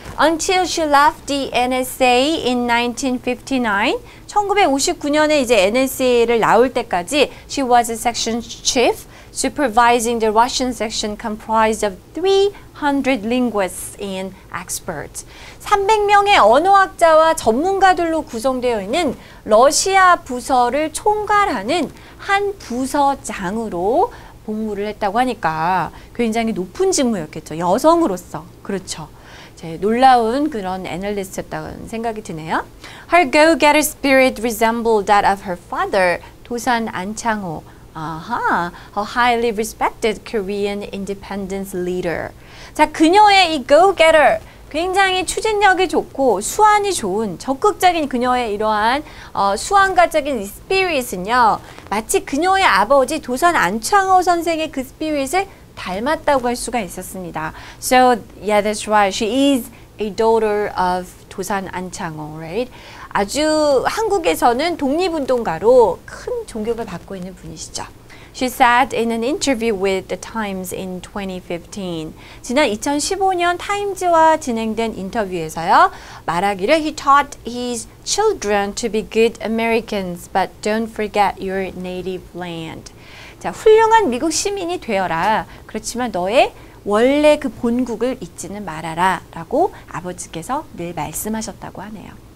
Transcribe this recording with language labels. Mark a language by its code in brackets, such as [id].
[en] Until she left the NSA in 1959, [ko] 1959년에 이제 NSA를 나올 때까지 [en] she was a section chief supervising the Russian section comprised of 300 linguists and experts. [ko] 300명의 언어학자와 전문가들로 구성되어 있는 러시아 부서를 총괄하는 한 부서장으로 복무를 했다고 하니까 굉장히 높은 직무였겠죠. 여성으로서. 그렇죠. 놀라운 그런 애널리스트였다는 생각이 드네요. [en] Her go-getter spirit resembled that of her father, 도산 안창호. Aha, a highly respected Korean independence leader. [ko] 자, 그녀의 이 go-getter, 굉장히 추진력이 좋고 수완이 좋은 적극적인 그녀의 이러한 수완가적인 spirit은요, 마치 그녀의 아버지 도선 안창호 선생의 그 spirit을 닮았다고 할 수가 있었습니다. [en] So, yeah, that's right. She is a daughter of 도산 안창호, right? [ko] 아주 한국에서는 독립운동가로 큰 존경을 받고 있는 분이시죠. [en] She said in an interview with the Times in 2015. [ko] 지난 2015년 타임즈와 진행된 인터뷰에서요. 말하기를 [en] He taught his children to be good Americans, but don't forget your native land. [ko] 자, 훌륭한 미국 시민이 되어라. 그렇지만 너의 원래 그 본국을 잊지는 말아라 라고 아버지께서 늘 말씀하셨다고 하네요.